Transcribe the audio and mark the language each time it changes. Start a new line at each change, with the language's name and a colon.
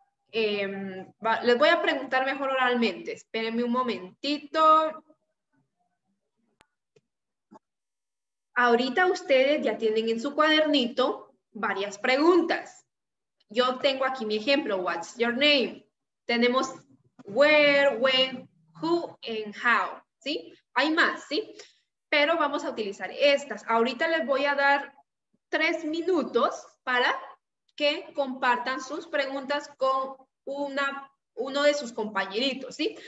Spanish: Les voy a preguntar mejor oralmente. Espérenme un momentito. Ahorita ustedes ya tienen en su cuadernito varias preguntas. Yo tengo aquí mi ejemplo.
English: What's your name?
Spanish: Tenemos
English: where, when, who, and how.
Spanish: ¿Sí? Hay más, ¿sí? Pero vamos a utilizar estas. Ahorita les voy a dar 3 minutos para que compartan sus preguntas con uno de sus compañeritos, ¿sí?